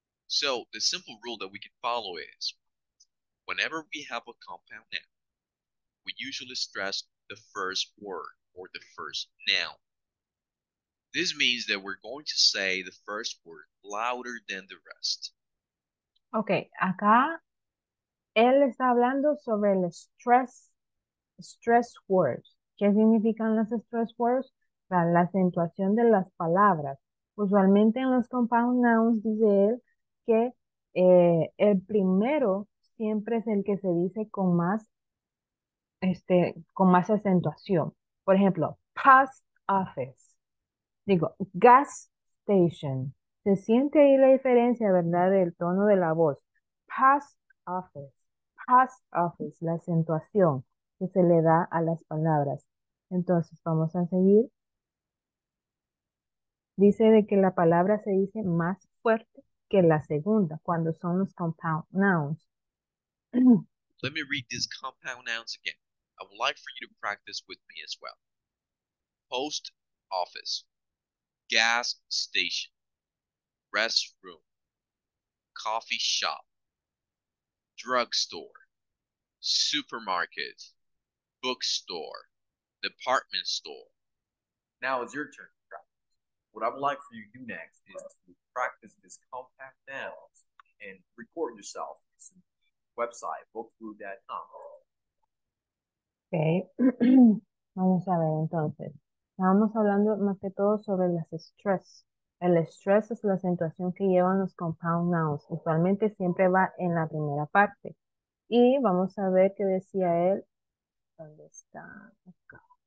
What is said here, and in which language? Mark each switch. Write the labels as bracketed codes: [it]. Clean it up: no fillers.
[en] So, the simple rule that we can follow is, whenever we have a compound noun, we usually stress the first word or the first noun. This means that we're going to say the first word louder than the rest. [es] Okay, acá él está hablando sobre el stress words. ¿Qué significan las stress words? La acentuación de las palabras. Usualmente en los compound nouns dice él que el primero siempre es el que se dice con más, con más acentuación. Por ejemplo, post office. Digo, gas station. Se siente ahí la diferencia, ¿verdad?, del tono de la voz. Post office, la acentuación que se le da a las palabras. Entonces, vamos a seguir. Dice de que la palabra se dice más fuerte que la segunda, cuando son los compound nouns. [en] Let me read these compound nouns again. I would like for you to practice with me as well. Post office, gas station, restroom, coffee shop, drugstore, supermarket, bookstore, department store. Now it's your turn to practice. What I would like for you to do next is to practice this compact nouns and record yourself on the website bookblue.com. [es] Okay. Vamos a ver entonces. Estamos hablando más que todo sobre las stress. El stress es la acentuación que llevan los compound nouns. Usualmente siempre va en la primera parte. Y vamos a ver qué decía él. ¿Dónde está? Acá.